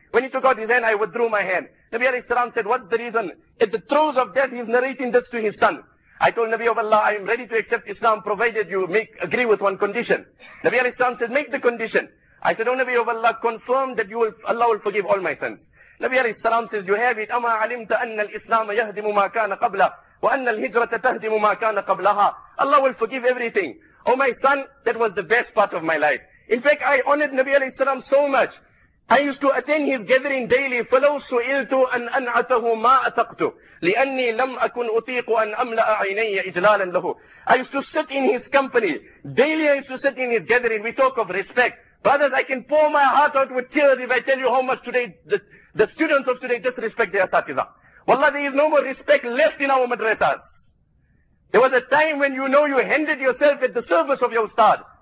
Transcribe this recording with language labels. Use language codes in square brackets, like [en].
[en] When he took out his hand, I withdrew my hand. Nabi alayhi salam said, what's the reason? At the throes of death, he's narrating this to his son. I told Nabi of Allah, I am ready to accept Islam provided you agree with one condition. Nabi alayhi salam said, make the condition. I said, O Nabi of Allah, confirm that Allah will forgive all my sins. Nabi alayhi salam says, you have it. [ar] أَمَا عَلِمْتَ أَنَّ الْإِسْلَامَ يَهْدِمُ مَا كَانَ قَبْلَهُ وَأَنَّ الْهِجْرَةَ تَهْدِمُ مَا كَانَ قَبْلَهَا [en] Allah will forgive everything. Oh my son, that was the best part of my life. In fact, I honored Nabi alayhi salam so much. I used to attend his gathering daily. [ar] فلو سئلت أن أنعته ما أثقت لأني لم أكن أطيق أن أملأ عيني إجلالا له. [en] I used to sit in his company. Daily I used to sit in his gathering. We talk of respect. Brothers, I can pour my heart out with tears if I tell you how much today the students of today disrespect their asatiza. Wallah, there is no more respect left in our madrasas. There was a time when you know you handed yourself at the service of your ustad.